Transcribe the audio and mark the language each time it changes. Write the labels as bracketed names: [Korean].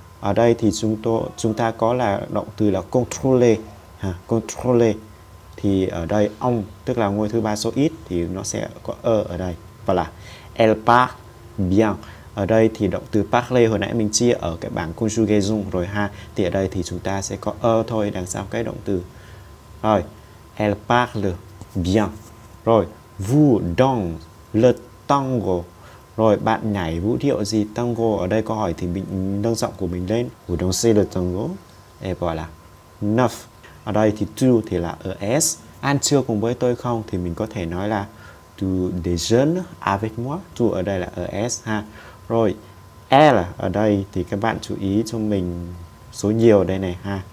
[Vietnamese] Ở đây thì chúng ta có là động từ là contrôler, contrôler thì ở đây ông tức là ngôi thứ ba số ít thì nó sẽ có ở đây. Và là [French] elle parle bien, [Vietnamese] ở đây thì động từ parler hồi nãy mình chia ở cái bảng conjugation rồi ha, thì ở đây thì chúng ta sẽ có thôi đằng sau cái động từ. [French] Rồi elle parle bien. Rồi vous dansez le tango. [Vietnamese] Rồi bạn nhảy vũ điệu gì tango? Ở đây câu hỏi thì mình nâng giọng của mình lên. [French] Vous dansez le tango. Et voilà. Neuf. [Vietnamese] Ở đây thì tu thì là es. Ăn trưa cùng với tôi không? Thì mình có thể nói là [French] tu déjeunes avec moi. [Vietnamese] Tu ở đây là es ha. Rồi elle ở đây thì các bạn chú ý cho mình số nhiều đây này ha.